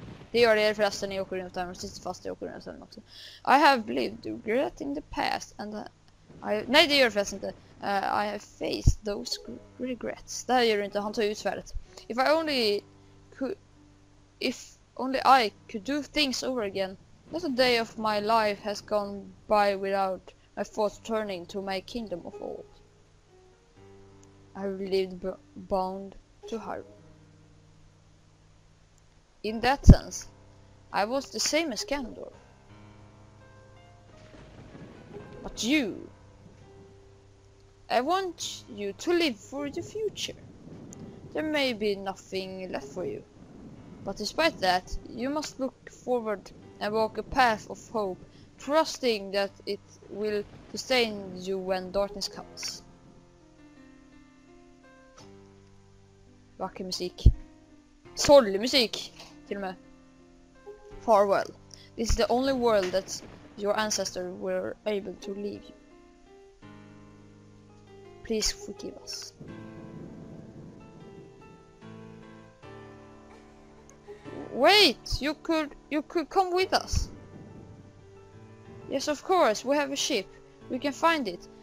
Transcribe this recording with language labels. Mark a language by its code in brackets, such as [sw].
[sv] Det gör det förresten i Ocarina of Time och sitter fast i Ocarina of Time också. [en] I have lived regret in the past and I... [sv] Nej, det gör det förresten inte. [en] I have faced those regrets. [sv] Det här gör det inte, han tar ut svärdet. [en] If I only could... If only I could do things over again. Not a day of my life has gone by without my thoughts turning to my kingdom of all. I have lived bound to her. In that sense, I was the same as Ganondorf. But you... I want you to live for the future. There may be nothing left for you. But despite that, you must look forward and walk a path of hope, trusting that it will sustain you when darkness comes. [sv] Vacker musik. Sorglig musik, till och med. [en] Farewell. This is the only world that your ancestors were able to leave you. Please forgive us. Wait, you could come with us. Yes, of course, we have a ship. We can find it.